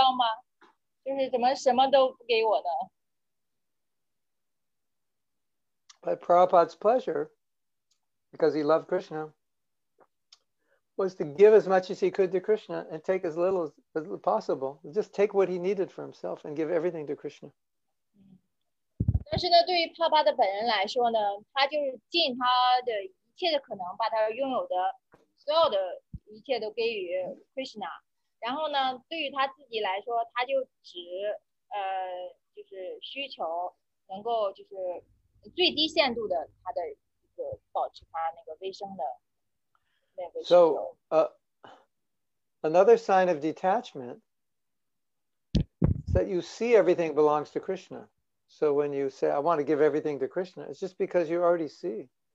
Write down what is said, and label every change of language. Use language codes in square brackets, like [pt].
[zh] 如果我这样跟你说的话，你可能你的反应就很惊讶，啊，什么都不给我留啊？难道还没有一点prasada可以荣耀吗？难道没有一个可以睡的地方吗？就是怎么什么都不给我呢？ [en] But Prabhupada's pleasure, because he loved Krishna, was to give as much as he could to Krishna and take as little as possible. Just take what he needed for himself and give everything to Krishna. [zh] 但是呢，对于帕帕的本人来说呢，他就是尽他的一切的可能，把他拥有的所有的一切都给予Krishna。然后呢，对于他自己来说，他就只就是需求能够就是。 [en] So, another sign of detachment is that you see everything belongs to Krishna. So when you say, I want to give everything to Krishna, it's just because you already see.